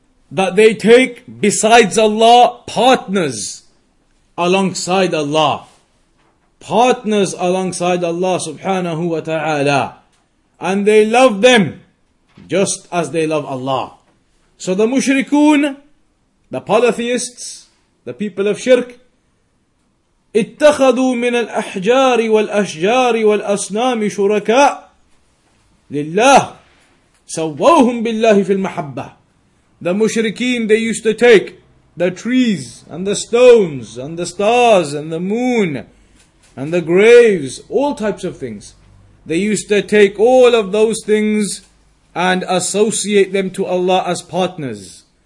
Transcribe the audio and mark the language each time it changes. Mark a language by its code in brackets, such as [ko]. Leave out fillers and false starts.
[en] That they take, besides Allah, partners alongside Allah. Partners alongside Allah subhanahu wa ta'ala. And they love them just as they love Allah. So the mushrikun, the polytheists, the people of shirk, [ar] اتخذوا من الأحجار والأشجار والأصنام شركاء لله سووهم بالله في المحبة. [en] The mushrikeen, they used to take the trees and the stones and the stars and the moon and the graves, all types of things. They used to take all of those things and associate them to Allah as partners.